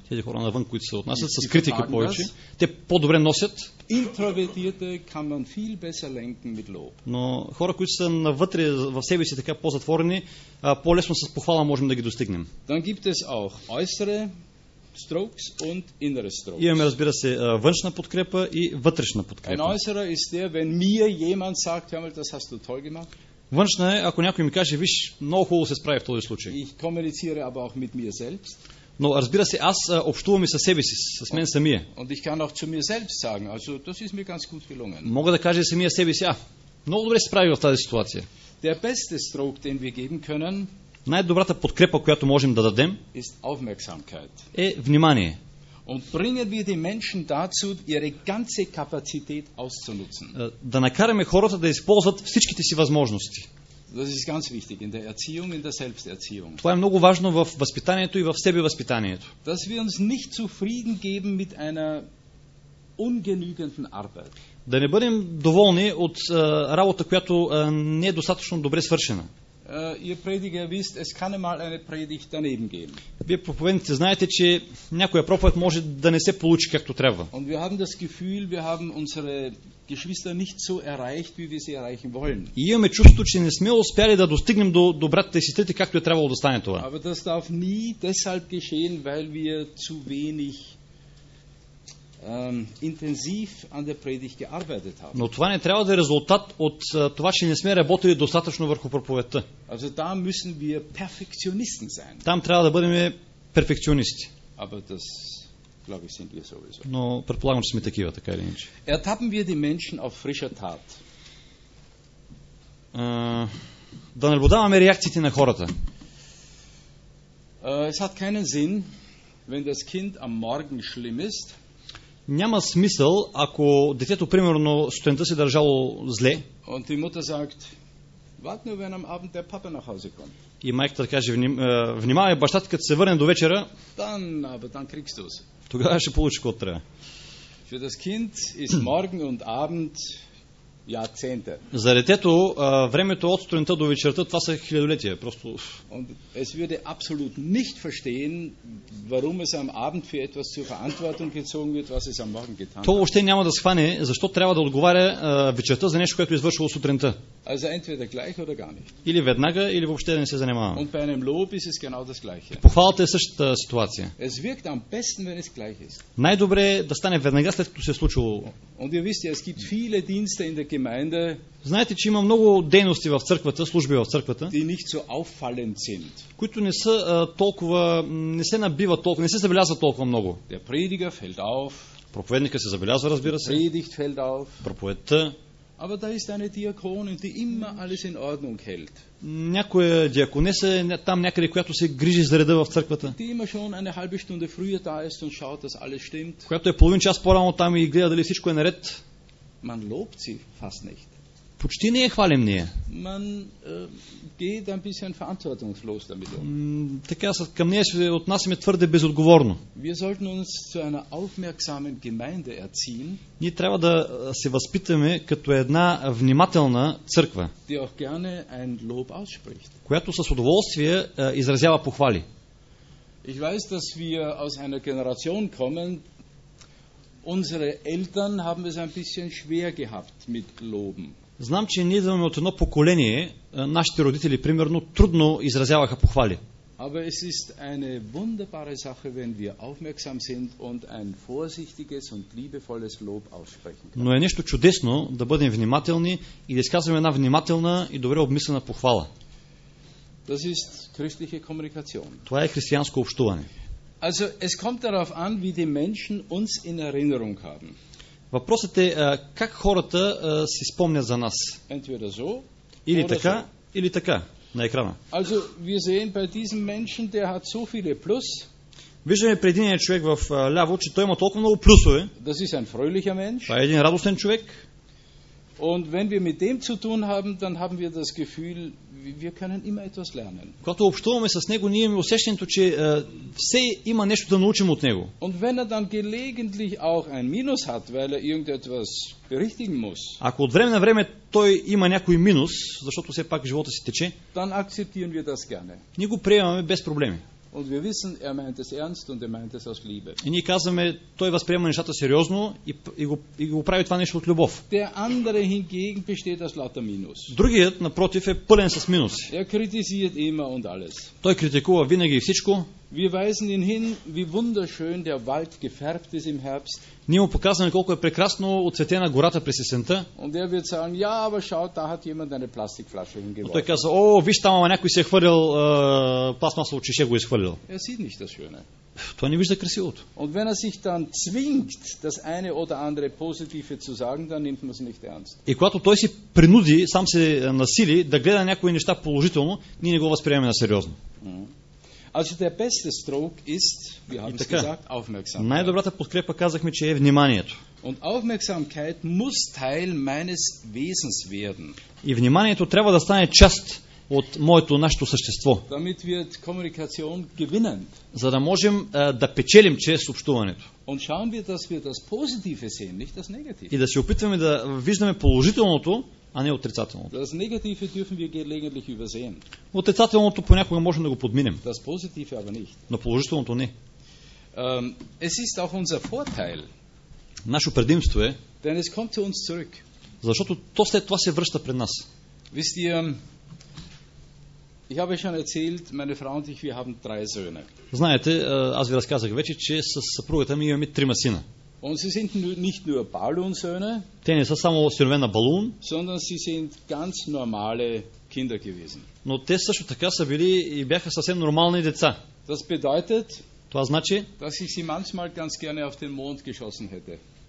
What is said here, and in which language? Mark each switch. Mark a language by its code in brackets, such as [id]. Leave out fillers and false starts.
[bg] Тези хора навън, които се отнасят с критика повече. Те по-добре носят. Интровертирате [de] kann man viel besser lenken mit Lob. [bg] Но хора, които са навътре в себе си така по-затворени, по-лесно с похвала можем да ги достигнем. [de] Dann gibt es auch äußere strokes und innere strokes. [bg] Имаме, разбира се, външна подкрепа и вътрешна подкрепа. [de] Ein äußere ist der, wenn mir jemand sagt, hör mal, das hast du toll gemacht. [bg] Външна е, ако някой ми каже, виж, много хубаво се справи в този случай. [de] Ich kommuniziere aber auch mit mir selbst. [bg] Но разбира се, аз общувам и със себе си, с мен самия. [de] Und ich kann auch zu mir selbst sagen, also das ist mir ganz gut gelungen. [bg] Мога да кажа самия себе си, много добре се справи в тази ситуация. [de] Der beste stroke, den wir geben können, [bg] най-добрата подкрепа, която можем да дадем, [de] ist Aufmerksamkeit. [bg] Е внимание. [de] Und bringen wir die Menschen dazu, ihre ganze Kapazität auszunutzen. [bg] Да накараме хората да използват всичките си възможности. [de] Das ist ganz wichtig in der Erziehung, in der Selbsterziehung. [bg] Това е много важно в възпитанието и в себевъзпитанието. [de] Dass wir uns nicht zufrieden geben mit einer ungenügenden Arbeit. [bg] Да не бъдем доволни от работа, която не е достатъчно добре свършена. [de] Ihr Prediger wisst, es kann einmal eine Predigt daneben gehen. [bg] Вие проповедниците знаете, че някоя проповед може да не се получи както трябва. [de] Und wir haben das Gefühl, wir haben unsere Geschwister nicht so erreicht, wie wir sie erreichen wollen. [bg] И имаме чувството, че не сме успели да достигнем до братите и сестрите както е трябвало да стане това. [de] Aber das darf nie deshalb geschehen, weil wir zu wenig intensiv an der Predigt gearbeitet haben. [bg] Но това не трябва да е резултат от това, че не сме работили достатъчно върху проповедта. [de] Also da müssen wir Perfektionisten sein. [bg] Там трябва да бъдем перфекционисти. [de] Aber das, glaube ich, sind wir sowieso. [bg] Но предполагам, че сме такива, така или иначе. [de] Ertappen wir die Menschen auf frischer Tat. [bg] Да наблюдаваме реакциите на хората. [de] Es hat keinen Sinn, wenn das Kind am Morgen schlimm ist. [bg] Няма смисъл, ако детето, примерно, сутринта се държало зле. [de] Und die Mutter sagt, wart nur, wenn am Abend der Papa nach Hause kommt. [bg] И майката каже, внимавай, баща ти, като се върне до вечера, [de] dann kriegst du's. [bg] Тогава ще получиш какво трябва. [de] Für das Kind ist morgen und Abend Jahrzehnte. [bg] За детето, времето от сутринта до вечерта, това са хилядолетия. Просто... [de] Und es würde absolut nicht verstehen, warum es am Abend für etwas zur Verantwortung gezogen wird, was es am Morgen getan hat. [bg] То още няма да схване, защо трябва да отговаря вечерта за нещо, което е извършило сутринта. [de] Also entweder gleich oder gar nicht. [bg] Или веднага, или въобще да не се занимава. [de] Und bei einem Lob ist es genau das gleiche. [bg] Похвалата е същата ситуация. [de] Es wirkt am besten, wenn es gleich ist. [bg] Най-добре е да стане веднага, след като се е случило. [de] Und ihr wisst ja, es gibt viele Dienste in der Gemeinde. [bg] Знаете, че има много дейности в църквата, служби в църквата, [de] die nicht so auffallend sind. [bg] Които не са толкова, не се набива толкова, не се забелязва толкова много. [de] Der Prediger fällt auf. [bg] Проповедника се забелязва, разбира се. [de] Predigt fällt auf. [bg] Проповедта. [de] Aber da ist eine Diakonin, die immer alles in Ordnung hält. [bg] Някоя диаконеса е там някъде, която се грижи за реда в църквата. [de] Die immer schon eine halbe Stunde früher da ist und schaut, dass alles stimmt. [bg] Която е половин час по-рано там и гледа дали всичко е наред. [de] Man lobt sie fast nicht. [bg] Почти не я хвалим ние. [de] Man geht ein bisschen verantwortungslos damit um. [bg] Така към нея се отнасяме твърде безотговорно. [de] Wir sollten uns zu einer aufmerksamen Gemeinde erziehen. [bg] Ние трябва да се възпитаме като една внимателна църква, [de] die auch gerne ein Lob ausspricht. [bg] Която с удоволствие изразява похвали. [de] Ich weiß, dass wir aus einer Generation kommen. Unsere Eltern haben es ein bisschen schwer gehabt mit Loben. [bg] Знам, че ние идваме от едно поколение, нашите родители, примерно, трудно изразяваха похвали. [de] Aber es ist eine wunderbare Sache, wenn wir aufmerksam sind und ein vorsichtiges und liebevolles Lob aussprechen können. [bg] Но е нещо чудесно да бъдем внимателни и да изказваме една внимателна и добре обмислена похвала. [de] Das ist christliche Kommunikation. [bg] Това е християнско общуване. [de] Also, es kommt darauf an, wie die Menschen uns in Erinnerung haben. [bg] Въпросът е как хората си спомнят за нас. [de] Entweder so, [bg] или така, [de] so. [bg] Или така, на екрана. [de] Also, wir sehen bei diesem Menschen, der hat so viele plus. [bg] Виждаме при един човек в ляво, че той има толкова много плюсове. [de] Das ist ein fröhlicher Mensch. [bg] Това е един радостен човек. [de] Und wenn wir mit dem zu tun haben, dann haben wir das Gefühl, wir können immer etwas lernen. [bg] Когато общуваме с него, ние имаме усещането, че все има нещо да научим от него. [de] Und wenn er dann gelegentlich auch ein Minus hat, weil er irgendetwas berichtigen muss. [bg] Ако от време на време той има някой минус, защото все пак живота си тече, [de] dann akzeptieren wir das gerne. [bg] Ние го приемаме без проблеми. [de] Und wir wissen, er meint es ernst und er meint es aus Liebe. [bg] И ние казваме, той възприема нещата сериозно и го прави това нещо от любов. [de] Der andere hingegen besteht aus lauter Minus. [bg] Другият, напротив, е пълен с минуси. [de] Er kritisiert immer und alles. [bg] Той критикува винаги и всичко. [de] Wir weisen ihn hin, wie wunderschön der Wald gefärbt ist im Herbst. [bg] Ние му показваме колко е прекрасно оцветена гората през есента. [de] Und er wird sagen, ja, aber schau, da hat jemand eine Plastikflasche hingeworfen. [bg] Той казва, о, виж, там някой се е хвърлил пластмасово чеше, го е изхвърлил. [de] Er sieht nicht das Schöne. [bg] Той не вижда красивото. [de] Und wenn er sich dann zwingt, das eine oder andere positive zu sagen, dann nimmt man es nicht ernst. [bg] И когато той си принуди, сам се насили да гледа някои неща положително, ние не го възприемаме на сериозно. [de] Also der beste stroke ist, wir haben es gesagt, aufmerksamkeit. [bg] Най-добрата подкрепа казахме, че е вниманието. [de] Und aufmerksamkeit muss Teil meines Wesens werden. [bg] И вниманието трябва да стане част от моето нашето същество. [de] Damit wird Kommunikation gewinnen. [bg] За да можем да печелим чрез общуването. [de] Und schauen wir, dass wir das positive sehen, nicht das negative. [bg] И да се опитваме да виждаме положителното, а не отрицателното. [de] Das negative dürfen wir gelegentlich übersehen. [bg] Отрицателното понякога можем да го подминем. [de] Das positive aber nicht. [bg] Но положителното не. [de] Es ist auch unser Vorteil. [bg] Нашето предимство е. [de] Denn es kommt zu uns zurück. [bg] Защото то след това се връща пред нас. [de] Wisst ihr, ich habe schon erzählt, meine Frau und ich, wir haben drei Söhne. [bg] Знаете, аз ви разказах вече, че с съпругата ми имаме трима сина. [de] Und sie sind nicht nur Balloonsöhne. [bg] Те не са само синове на балун, [de] sondern sie sind ganz normale Kinder gewesen. [bg] Но те също така са били и бяха съвсем нормални деца. [de] Das bedeutet, [bg] това значи, [de] dass ich sie manchmal ganz gerne auf den Mond geschossen hätte.